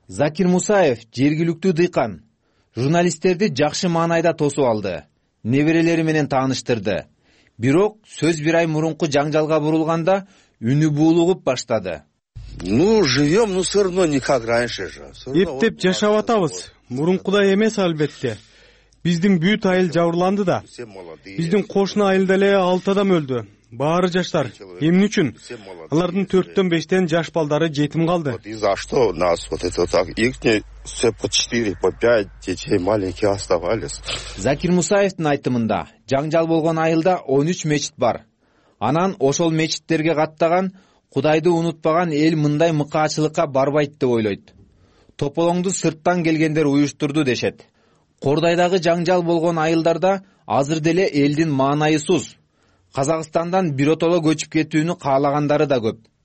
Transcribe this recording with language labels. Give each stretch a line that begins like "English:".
Kyrgyz: Закир Мусаев, жергиликтүү дыйкан, журналисттерди жакшы маанайда тосуп алды. Неберелери менен тааныштырды. Бирок сөз бир ай мурунку жаңжалга бурулганда үнү буулугуп баштады.
Russian: Ну, живем, но все равно не как раньше же.
Kyrgyz: Эптеп жашап атабыз. Мурункудай эмес албетте. Биздин бүт айыл жабырланды да. Биздин кошуна айылда эле 6 адам өлдү. Баары жаштар. Эмне үчүн? Алардын 4-тен 5-тен жаш балдары жетим калды.
Russian: Вот из-за что у нас вот это так. Их не все по 4, по 5 детей маленькие оставались.
Kyrgyz: Закир Мусаевдин айтымында жаңжал болгон айылда 13 мечит бар. Анан ошол мечиттерге каттаган, Кудайды унутпаган эл мындай мыкаачылыкка барбайт деп ойлойт. Тополоңду сырттан келгендер уюштурду дешет. Кордайдагы жаңжал болгон айылдарда азыр деле элдин маанайсыз Казакстандан биротоло көчүп кетүүнү каалагандары да көп.